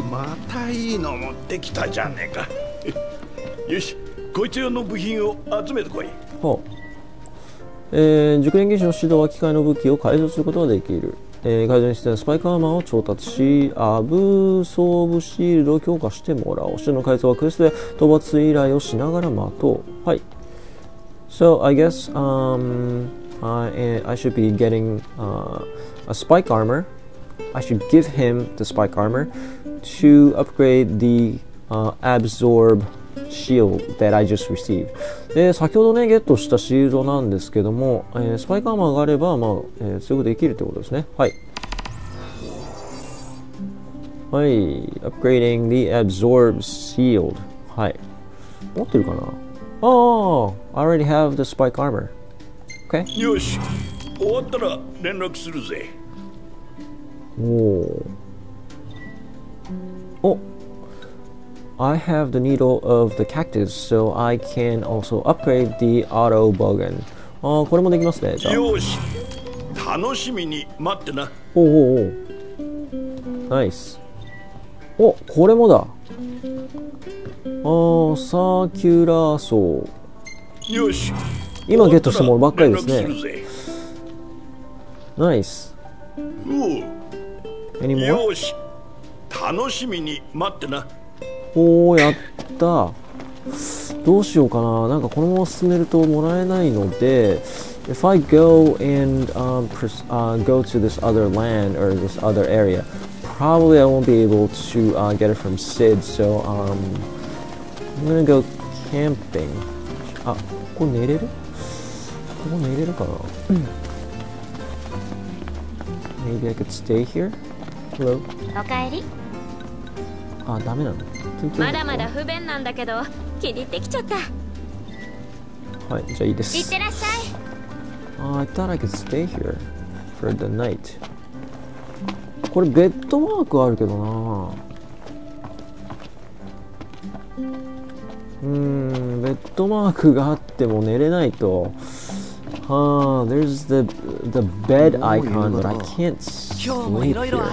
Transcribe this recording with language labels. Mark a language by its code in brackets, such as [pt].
[ja] またいいの持ってきたじゃねえか。よし、こいつ用の部品を集めてこい。ほう、熟練技師の指導は機械の武器を改造することができる。改造に必要なスパイクアーマーを調達し、アブソーブシールドを強化してもらおう。指導の改造はクエストで討伐依頼をしながら待とう。はい。 [en] So, I guess, I should be getting、a spike armor. I should give him the spike armor to upgrade the、absorb shield that I just received. [ja] で、先ほどね、ゲットしたシールドなんですけども、スパイクアーマーがあれば、まあ、強くできるってことですね。はい。はい。 [en] upgrading the absorb shield. [ja] はい。持ってるかな？ [en] ああ、I already have the spike armor. Okay. [ja] よし、終わったら連絡するぜ。おお。 [en] お、I have the needle of the cactus, so I can also upgrade the auto bowgun. [ja] ああ、これもできますね。じゃあ。よし、楽しみに待ってな。おおお。ナイス。お、これもだ。ああ、サーキュラーソー。 よし。今ゲットしたものばっかりですね。ナイス。おお。 [en] Any more? [ja] よし。楽しみに待ってな。おお、やった。どうしようかな。なんかこのまま進めるともらえないので、 [en] If I go and go to this other land or this other area, probably I won't be able to get it from Sid, so I'm gonna go camping. [ja] ここ寝れるかな? [en] Maybe I could stay here? Hello? [ja] おかえり. ダメなの? まだまだ不便なんだけど、 気に入ってきちゃった。はい、じゃあいいです。行ってらっしゃい。 [en] I thought I could stay here for the night. [ja] これベッドワークあるけどな。ベッドマークがあっても寝れないと。 [en] There's the bed icon, but I can't sleep here.